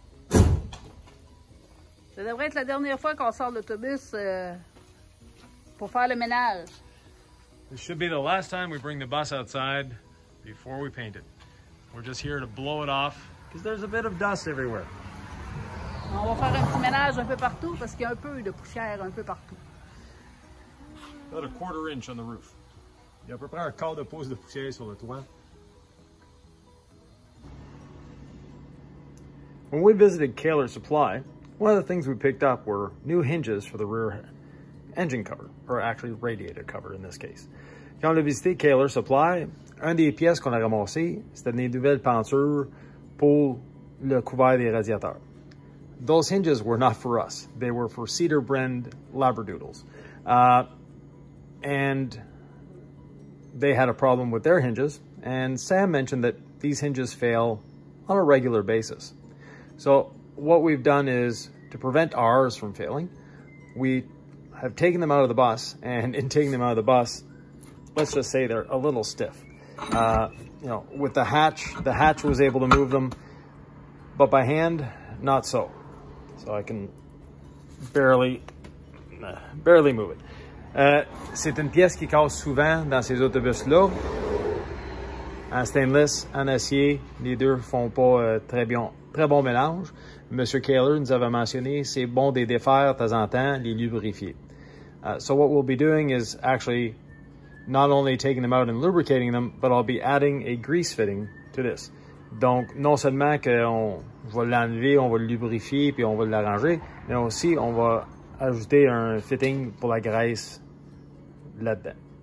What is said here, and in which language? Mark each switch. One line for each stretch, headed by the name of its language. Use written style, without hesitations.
French: Ça devrait être la dernière fois qu'on sort l'autobus pour faire le ménage.
English: This should be the last time we bring the bus outside before we paint it. We're just here to blow it off because there's a bit of dust everywhere.
French: On va faire un petit ménage un peu partout parce qu'il y a un peu de poussière un peu partout.
English: About a quarter inch on the roof.
French: Il y a à peu près un quart de pouce de poussière sur le toit.
English: When we visited Kaler Supply, one of the things we picked up were new hinges for the rear engine cover, or actually radiator cover in this case.
French: Quand on a visité Kaler Supply, une des pièces qu'on a ramassées, c'était des nouvelles peintures pour le couvert des radiateurs.
English: Those hinges were not for us. They were for Cedar Brand Labradoodles. And they had a problem with their hinges, and Sam mentioned that these hinges fail on a regular basis. So what we've done is, to prevent ours from failing, we have taken them out of the bus, and in taking them out of the bus, let's just say they're a little stiff. With the hatch was able to move them, but by hand, not so. So I can barely move it.
French: C'est une pièce qui casse souvent dans ces autobus-là. En stainless, en acier, les deux font pas très bon mélange. Monsieur Kaler nous avait mentionné, c'est bon de défaire de temps en temps, les lubrifier.
English: So what we'll be doing is actually not only taking them out and lubricating them, but I'll be adding a grease fitting to this.
French: Donc, non seulement qu'on va l'enlever, on va le lubrifier, puis on va l'arranger, mais aussi on va ajouter un fitting pour la graisse là-dedans.